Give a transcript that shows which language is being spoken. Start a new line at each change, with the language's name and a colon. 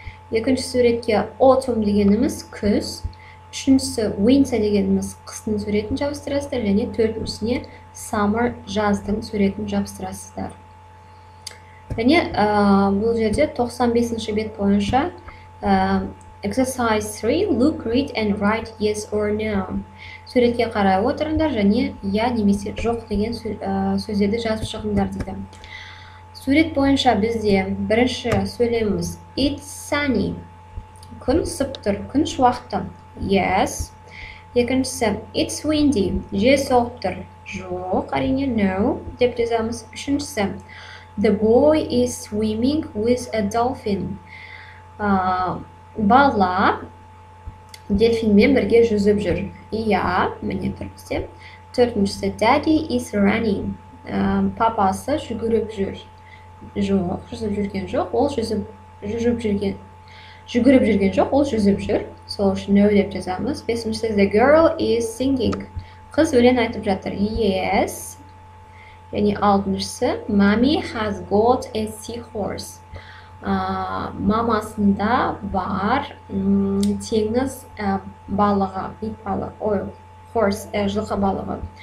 Kazakh: Екінші суретке autumn дегеніміз күз. Үшіншісі winter дегеніміз қыстың суретін жабыстырасыздар. Және төртіншісіне summer жаздың суретін жабыстырасыздар. Және бұл жерде 95-ші бет бойынша.
English: Exercise 3. Look, read and write yes or no.
Kazakh: Суретке қарай отырыңдар және я немесе жоқ деген сөздерді жазып шығыңдар дейді. Сурет бойынша бізде бірінші сөйлеміз.
English: It's sunny.
Kazakh: Күн сып тұр, күн шуақты. Yes. Екіншісі.
English: It's windy.
Kazakh: Жел соғып тұр. Жоқ, әрине no деп жазамыз. Үшіншісі.
English: The boy is swimming with a dolphin.
Kazakh: Бала дельфинмен бірге жүзіп жүр. Иә, міне тұрмызде. Төртіншісі,
English: daddy is running.
Kazakh: Папасы жүгіріп жүр. Жоқ, жүзіп жүрген жоқ, ол жүгіріп жүрген жоқ, ол жүзіп жүр. Сол үшін no деп жазамыз. Бесіншісі,
English: the girl is singing.
Kazakh: Қыз өлең айтып жатыр. Yes. Және алтыншысы,
English: mommy has got a seahorse.
Kazakh: Мамасында бар теңіз балығы, бит балығы, ой, horse, жылқы балығы.